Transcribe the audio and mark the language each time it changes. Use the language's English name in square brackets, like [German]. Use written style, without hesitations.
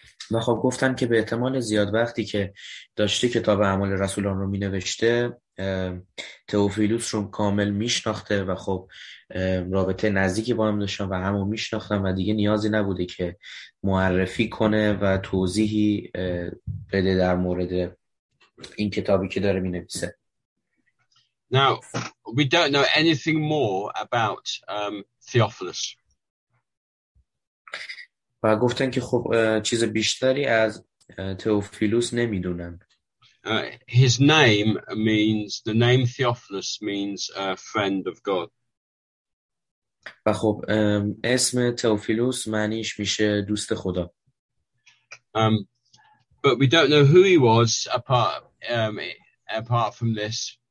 [Persian] و خب گفتن که به احتمال زیاد وقتی که داشته کتاب اعمال رسولان رو می نوشته تئوفیلوس رو کامل می شناخته و خب رابطه نزدیکی با هم داشتن و همو می شناختن و دیگه نیازی نبوده که معرفی کنه و توضیحی بده در مورد این کتابی که داره می نویسه. [English] Now, we don't know anything more about Theophilus. [Persian] و گفتن که خب چیز بیشتری از تئوفیلوس نمیدونن. [English] His name means, the name Theophilus means a friend of God. [Persian] و خب اسم تئوفیلوس معنیش میشه دوست خدا. [English] But we don't know who he was apart from this.